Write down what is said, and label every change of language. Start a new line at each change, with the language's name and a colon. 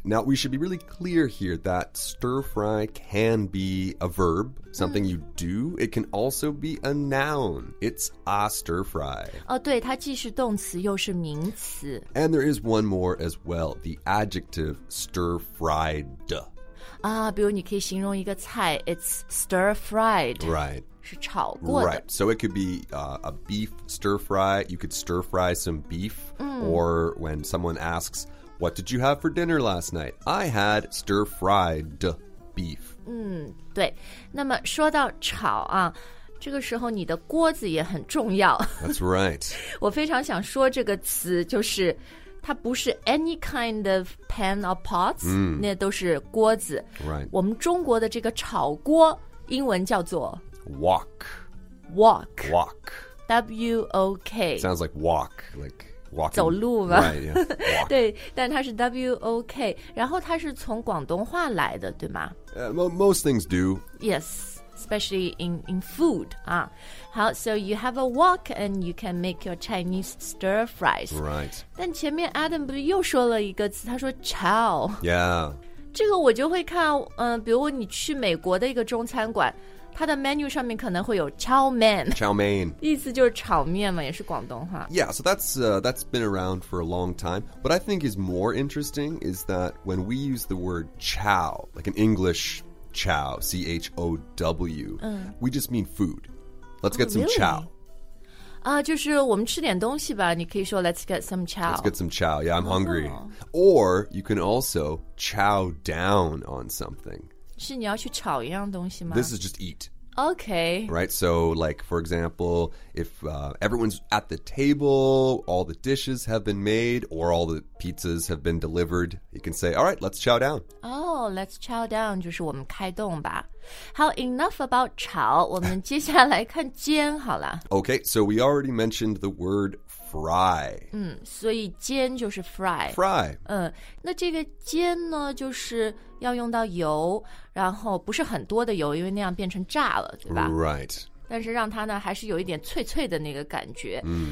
English: Now, we should be really clear here that stir fry can be a verb, something you do. It can also be a noun. It's a stir fry.
Chinese: 对，它既是动词又是名词。
English: And there is one more as well, the adjective stir fried.
Chinese: 比如你可以形容一个菜
English: it's stir fried. Right.
Chinese: 是炒过的
English: Right, so it could be a beef stir fry. You could stir fry some beef. Or when someone asks, what did you have for dinner last night? I had stir fried beef.
Chinese: 对，那么说到炒啊，这个时候你的锅子也很重要。
English: That's right.
Chinese: 我非常想说这个词，就是它不是
English: any kind of pan or pots,
Chinese: 那都是锅子。
English: Right.
Chinese: 我们中国的这个炒锅英文叫做
English: Wok. W-O-K. Sounds like walk, like walking.
Chinese: 走路
English: 吧。Right, yeah.
Chinese: 对，但它是 W-O-K, 然后它是从广东话来的，对吗？
English: Most things do. Yes, especially in food.
Chinese: 好,
English: so you have a wok and you can make your Chinese stir fries. Right.
Chinese: 但前面 Adam 不是又说了一个词，他说 chow.
English: Yeah.
Chinese: 这个我就会看，比如你去美国的一个中餐馆，它的 menu 上面可能会有 chow mein.
English: Chow mein.
Chinese: 意思就是炒面嘛，也是广东话。
English: Yeah, so that's been around for a long time. What I think is more interesting is that when we use the word chow, like an English chow, C-H-O-W, we just mean food. Let's get some、 really? chow.
Chinese: 就是我们吃点东西吧，你可以说
English: let's get some chow. Let's get some chow, yeah, I'm hungry. Or you can also chow down on something.
Chinese: 是你要去炒一样东西吗？
English: This is just eat. Okay. Right, so like for example, if everyone's at the table, all the dishes have been made, or all the pizzas have been delivered, you can say, all right, let's chow down. Oh, let's chow down,
Chinese: 就是我们开动吧。好
English: enough about
Chinese: 炒，我们接下来看煎好了。
English: Okay, so we already mentioned the word fry.
Chinese: 所以煎就是 fry.
English: Fry.
Chinese: 那这个煎呢，就是要用到油，然后不是很多的油，因为那样变成炸了，对吧？
English: Right.
Chinese: 但是让它呢，还是有一点脆脆的那个感觉。